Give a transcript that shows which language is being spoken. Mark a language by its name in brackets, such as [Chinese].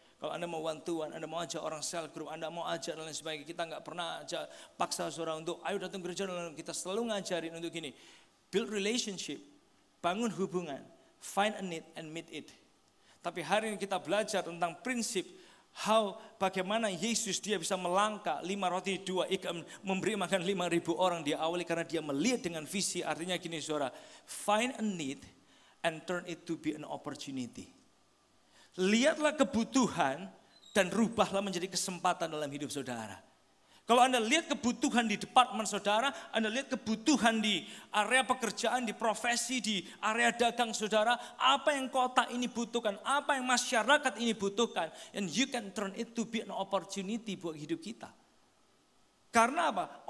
[Indonesian] Kalau Anda mau one-to-one, Anda mau ajak orang cell group, Anda mau ajak dan lain sebagainya, kita gak pernah ajak paksa saudara untuk ayo datang gereja, kita selalu ngajarin untuk gini, [English] build relationship, [Indonesian] bangun hubungan, [English] find a need and meet it. [Indonesian] Tapi hari ini kita belajar tentang prinsip how, bagaimana Yesus dia bisa melangkah 5 roti 2 ikan memberi makan 5.000 orang dia awali karena dia melihat dengan visi. Artinya gini saudara, [English] find a need and turn it to be an opportunity. [Indonesian] Lihatlah kebutuhan dan rubahlah menjadi kesempatan dalam hidup saudara. Kalau Anda lihat kebutuhan di departemen saudara, Anda lihat kebutuhan di area pekerjaan, di profesi, di area dagang saudara, apa yang kota ini butuhkan, apa yang masyarakat ini butuhkan, [English] and you can turn it to be an opportunity [Indonesian] buat hidup kita. Karena apa?